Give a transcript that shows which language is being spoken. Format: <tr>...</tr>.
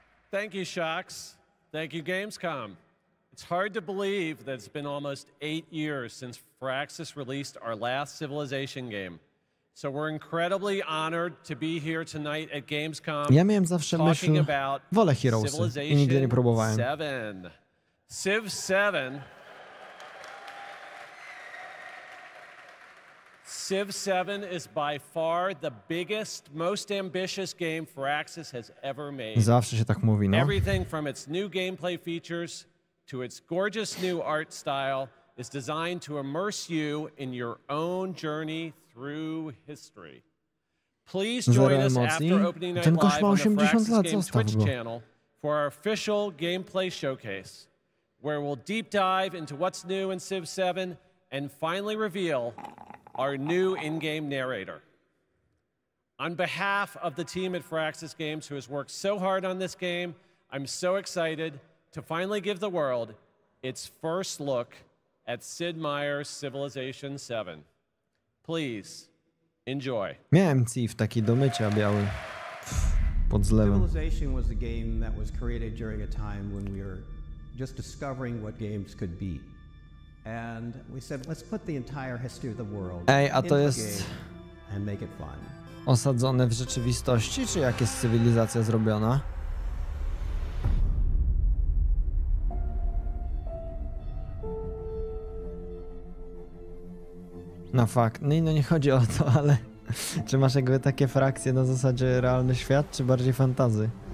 <en>Thank you, Shox. Thank you, Gamescom. It's hard to believe that it's been almost 8 years since Firaxis released our last Civilization game. So we're incredibly honored to be here tonight at Gamescom.</en> <pl>Ja miałem zawsze myśl, wolę Heroesy i nigdy nie próbowałem. Civ 7.</pl> <en>Civ 7 is by far the biggest, most ambitious game Firaxis has ever made.</en> <pl>Zawsze się tak mówi, no.</pl> <en>Everything from its new gameplay features to its gorgeous new art style is designed to immerse you in your own journey through history. Please join us after opening Night Live on the Firaxis Games Twitch channel for our official gameplay showcase, where we'll deep dive into what's new in Civ 7 and finally reveal our new in-game narrator. On behalf of the team at Firaxis Games who has worked so hard on this game, I'm so excited to finally give the world its first look at Sid Meier's Civilization 7. Please, enjoy.</en> <pl>Miałem CIF taki do mycia biały. Pod zlewem.</pl> <en>Civilization was a game that was created during a time when we were just discovering what games could be. And we said, let's put the entire history of the world and make it fun.</en> <pl>Osadzone w rzeczywistości, czy jak jest cywilizacja zrobiona? Na fakt. No nie chodzi o to, ale czy masz jakby takie frakcje na zasadzie realny świat, czy bardziej fantazy?</pl>